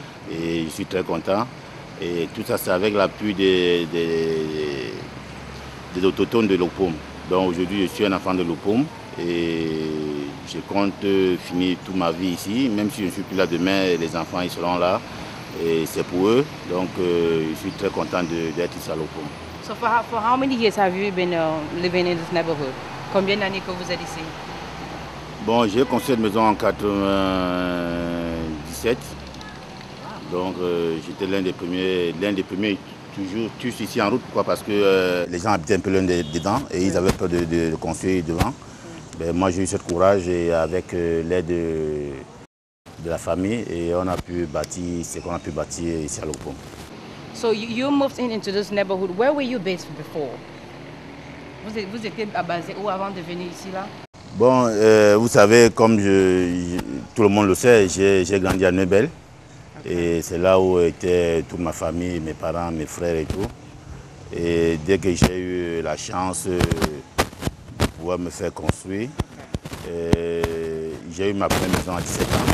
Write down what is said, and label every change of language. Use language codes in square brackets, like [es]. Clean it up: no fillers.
[fr] Et je suis très content. Et tout ça, c'est avec l'appui des autochtones de Lokpom. Donc aujourd'hui, je suis un enfant de Lokpom. Et je compte finir toute ma vie ici, même si je ne suis plus là demain, les enfants ils seront là et c'est pour eux. Donc je suis très content d'être ici à Lokpom. [en] So for how many years have you been living in this neighborhood? [fr] Combien d'années que vous êtes ici? Bon, j'ai construit une maison en 97. Donc j'étais l'un des premiers toujours tous ici en route. Pourquoi? Parce que les gens habitaient un peu loin dedans et ils avaient peur de construire devant. Ben moi j'ai eu ce courage et avec l'aide de la famille et on a pu bâtir ce qu'on a pu bâtir ici à Lokpom. [en] So you moved into this neighborhood. Where were you based before? [fr] Vous étiez à Basé où avant de venir ici là? Bon, vous savez, comme tout le monde le sait, j'ai grandi à Neubel. Et c'est là où étaient toute ma famille, mes parents, mes frères et tout. Et dès que j'ai eu la chance de pouvoir me faire construire, j'ai eu ma première maison à 17 ans.